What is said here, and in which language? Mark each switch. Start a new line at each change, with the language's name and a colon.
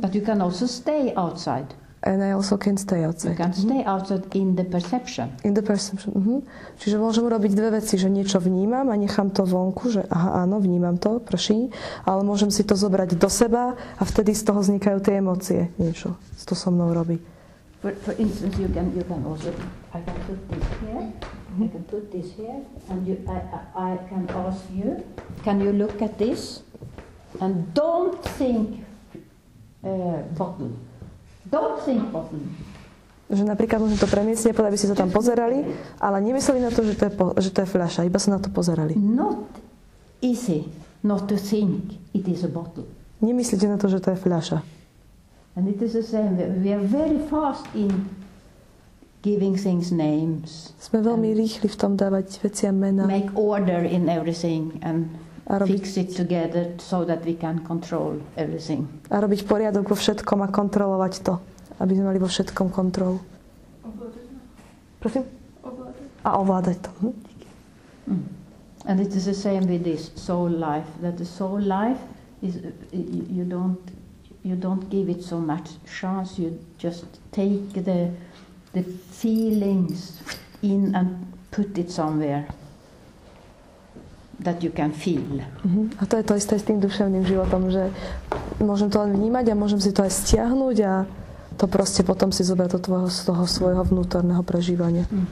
English: But you can also stay outside. And I also can stay outside. You can stay outside in the perception. In the perception. Mm-hmm.
Slovak: Čiže môžem robiť dve veci, že niečo vnímam a nechám to vonku, že aha, áno, vnímam to, prší, ale môžem si to zobrať do seba a vtedy z toho vznikajú tie emócie. Niečo s to so mnou robí.
English: For instance, you can also, I can put this here, I can put this here, and I can ask you, can you look at this? And don't think bottom. Don't think bottom.
Slovak: Že napríklad môžem to premiesť, nepovedať, aby ste sa tam pozerali, ale nemysleli na to, že to je fľaša, iba sa na to pozerali.
English: Not easy not to think it is a bottle.
Slovak: Nemyslíte na to, že to je fľaša.
English: And it is the same. We are very fast in giving things names.
Slovak: Sme veľmi rýchli v tom dávať veciam mena.
English: Make order in everything and fix it together so that we can control everything.
Slovak: A robiť poriadok vo všetkom a kontrolovať to, aby sme mali vo všetkom kontrolu. Prosím? Ovládať. A ovládať to.
English: And it is the same with this soul life. That the soul life is you don't give it so much chance, you just take the feelings in and put it somewhere that you can feel.
Slovak: A to je to isté s tým duševným životom, že môžem to len vnímať a môžem si to aj stiahnuť a to proste potom si zobrať z toho svojho vnútorného prežívania.